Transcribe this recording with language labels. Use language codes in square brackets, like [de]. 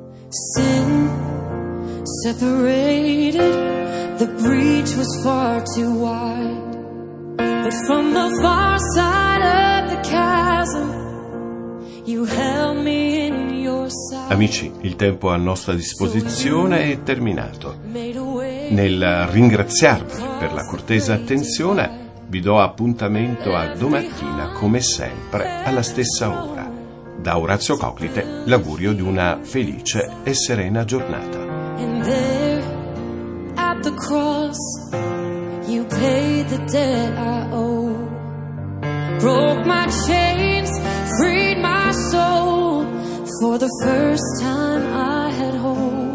[en] Sin separated, the breach was far too wide. But from the far side of the chasm, you held me in your sight. [it] Amici, il tempo a nostra disposizione è terminato. Nel ringraziarvi per la cortese attenzione, vi do appuntamento a domattina, come sempre, alla stessa ora. Da Orazio Coclite, l'augurio di una felice e serena giornata. [en] And there, at the cross, you paid the debt I owe. Broke my chains, freed my soul, for the first time I had hope.